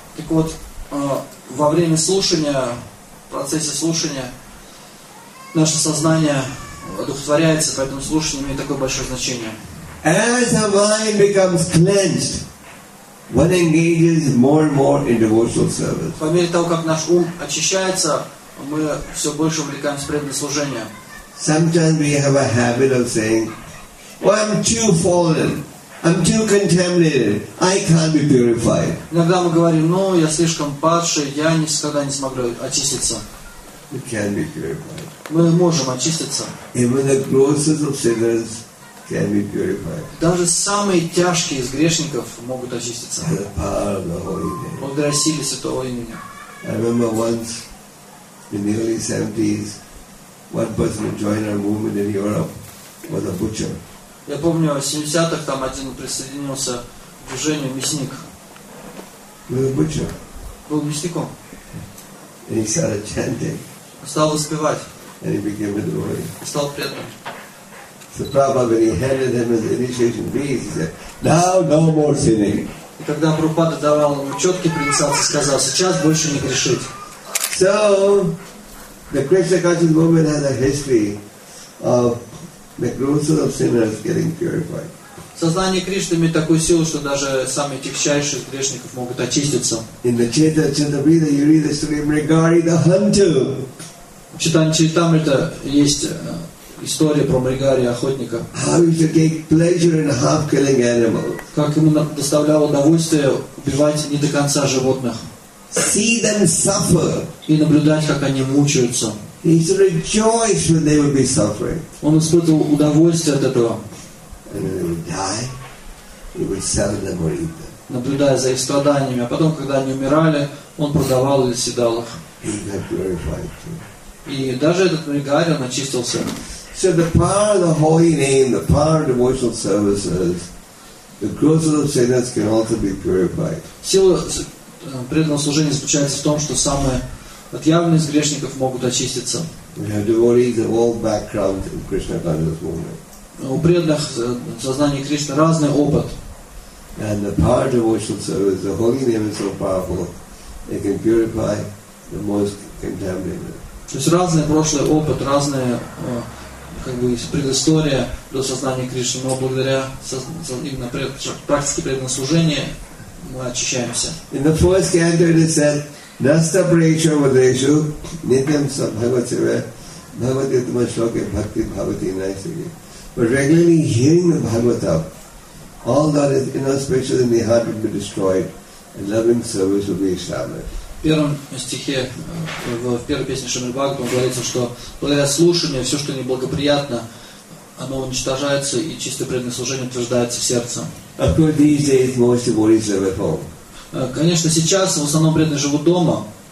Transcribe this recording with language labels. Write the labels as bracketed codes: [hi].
[ru] Так вот, во время слушания, в процессе слушания, наше сознание одухотворяется, поэтому слушание имеет такое большое значение. [en] As the mind becomes cleansed, one engages more and more in devotional service. [ru] По мере того, как наш ум очищается, мы все больше увлекаемся преданным служением. [en] Sometimes we have a habit of saying, "Well, I'm too fallen. I'm too contaminated. I can't be purified. [ru] Иногда мы говорим, ну, я слишком падший, я никогда не смогу очиститься. [en] We can be purified. [ru] Мы можем очиститься. [en] Even the grossest of sinners can be purified. [ru] Даже самые тяжкие из грешников могут очиститься. [en] By the power of the Holy Name. [ru] Благодаря силе Святого Имени. [en] I remember once, in the early 70s, one person who joined our movement in Europe was a butcher. [ru] Я помню, в 70-х там один присоединился к движению мясник. Был бычок. Был мясником. [en] And he started chanting. [ru] Стал воспевать. [en] And he became a devotee. [ru] И стал преданным. [en] So Prabhupada, when he handed him his initiation beads, he said, now no more sinning. [ru] И когда Прабхупада давал ему четкий принесался, сказал, сейчас больше не грешить. [en] So, the Krishna conscious movement has a history of the grossest of sinners getting purified. [ru] Сознание Кришны имеет такую силу, что даже самые тягчайшие грешников могут очиститься. [en] In the Chaitanya Charitamrita, you read the story of Mrigari the Hunter. [ru] В Чайтанья Чаритамрита есть история про Мригари охотника. [en] How he should take pleasure in half killing animals. [ru] Как ему доставляло удовольствие убивать не до конца животных. [en] See them suffer. [ru] И наблюдать, как они мучаются. [en] He should rejoice when they would be suffering. [ru] Он испытывал удовольствие от этого. [en] And when they would die, he would sell them or eat them. [ru] Наблюдая за их страданиями, а потом, когда они умирали, он продавал или съедал их. [en] He got purified too. [ru] И даже этот Мригари, он очистился. [en] So the power of the holy name, the power of devotional services, the grossest of sinners can also be purified. [ru] Сила преданного служения заключается в том, что самые отъявленные из грешников могут очиститься. [en] We have devotees of all backgrounds in Krishna conscious movement. [ru] У преданных в сознании Кришны разный опыт. [en] And the power of devotional service, the holy name is so powerful, it can purify the most contaminated. [ru] То есть разный прошлый опыт, разная как бы предыстория до сознания Кришны, но благодаря именно практике преданного служения мы очищаемся. [en] In the first canto it is said, [sa] Nasta Preksha Vadeshu, Nityam Sabhagavatsira, Bhagavatyatma Shloke Bhakti Bhavati Naisagi. [en] But regularly hearing the Bhagavatam, all that is inauspicious in the heart will be destroyed, and loving service will be established. [ru] В первом стихе, в первой песне Шримад-Бхагаватам говорится, что благодаря слушанию все, что неблагоприятно, оно уничтожается и чистое преданное служение утверждается в сердце. Конечно, сейчас в основном преданные живут дома.